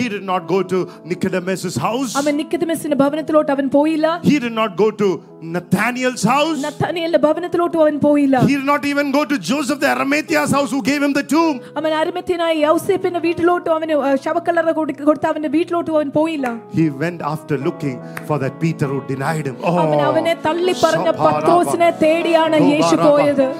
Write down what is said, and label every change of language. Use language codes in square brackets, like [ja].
[en] He did not go to Nicodemus's house. [ml] അമ്മേൻ നിക്കോദെമസിന്റെ ഭവനത്തിലോട്ട് അവൻ പോയില്ല. [en] He did not go to Nathaniel's house. [ml] നഥാനിയേലിന്റെ ഭവനത്തിലോട്ട് അവൻ പോയില്ല. [en] He did not even go to Joseph the Arimathea's house who gave him the tomb. [ml] അമ്മേൻ അരിമത്തിയായ യോസേഫിന്റെ വീട്ടിലോട്ട് അവനെ ശവക്കല്ലറ കൊടുത്ത അവന്റെ വീട്ടിലോട്ട് അവൻ പോയില്ല. [en] He went after looking for that Peter who denied him. [ml] അവനെ തള്ളി പറഞ്ഞ പത്രോസിനെ തേടിയാണ് യേശു പോയത്.